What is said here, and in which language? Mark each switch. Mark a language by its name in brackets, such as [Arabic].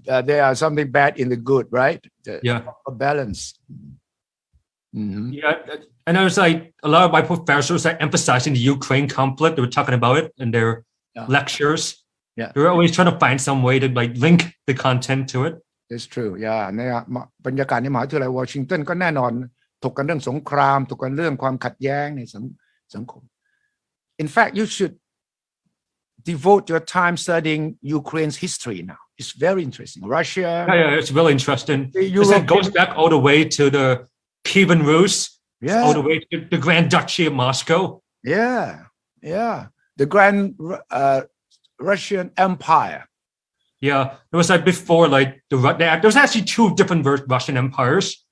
[English] There are something bad in the good, right? Yeah. A balance. Mm-hmm. Yeah, and there's like a lot of my professors are emphasizing the Ukraine conflict. They were talking about it in their lectures. Yeah, they're always trying to find some way to like link the content to it. It's true. [Thai] Yeah, เนี่ยบรรยากาศในมหาวิทยาลัยวอชิงตันก็แน่นอนถกกันเรื่องสงครามถกกันเรื่องความขัดแย้งในสังคม [English] In fact, you should devote your time studying Ukraine's history now. It's very interesting. Russia. Yeah, it's really interesting. It goes back all the way to the Kievan Rus. Yeah. All the way to the Grand Duchy of Moscow. Yeah. Yeah. The Grand Russian Empire. Yeah. It was like before, like, there was actually two different Russian empires.